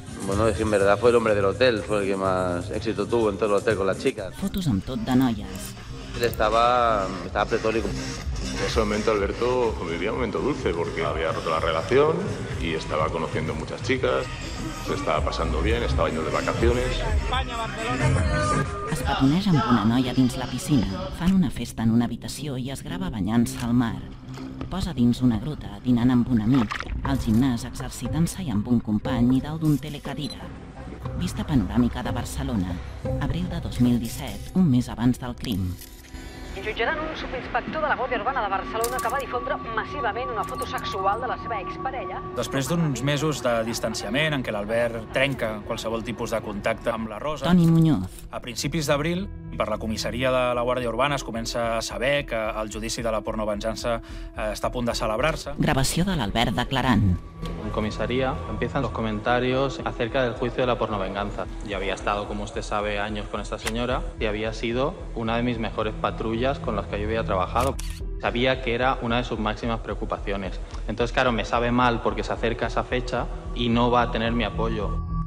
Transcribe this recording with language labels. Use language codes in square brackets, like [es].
[es] Bueno, es que en verdad fue el hombre del hotel, fue el que más éxito tuvo en todo el hotel con las chicas. [ca] Fotos amb tot de noies. [es] Él estaba pletórico. En ese momento Alberto vivía un momento dulce porque había roto la relación y estaba conociendo muchas chicas, se estaba pasando bien, estaba yendo de vacaciones. España, Barcelona. [ca] Es patoneix amb una noia dins la piscina, fan una festa en una habitació i es grava banyant-se al mar. Posa dins una gruta, dinant amb un amic, al gimnàs exercitant-se i amb un company i dalt d'un telecadira. Vista panoràmica de Barcelona, abril de 2017, un mes abans del crim. Jutjaran un subinspector de la Guàrdia Urbana de Barcelona que va difondre massivament una foto sexual de la seva exparella. Després d'uns mesos de distanciament en què l'Albert trenca qualsevol tipus de contacte amb la Rosa, Toni Muñoz. A principis d'abril, per la comissaria de la Guàrdia Urbana es comença a saber que el judici de la pornovenjança està a punt de celebrar-se. Gravació de l'Albert declarant. [es] En comissaria empiezan los comentarios acerca del juicio de la pornovenganza. Ya había estado, como usted sabe, años con esta señora y había sido una de mis mejores patrullas con las que yo había trabajado. Sabía que era una de sus máximas preocupaciones. Entonces, claro, me sabe mal porque se acerca esa fecha y no va a tener mi apoyo.